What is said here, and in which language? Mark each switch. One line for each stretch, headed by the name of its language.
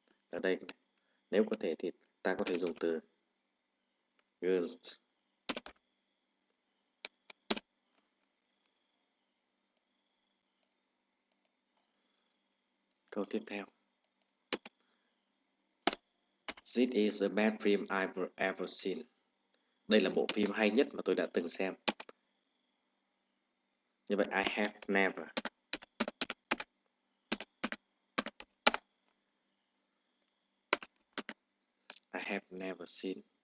Vietnamese: Ở đây nếu có thể thì ta có thể dùng từ girls câu tiếp theo.
English: This is the best film I've ever seen.
Vietnamese: Đây là bộ phim hay nhất mà tôi đã từng xem.
English: Như vậy I have never. I have never seen.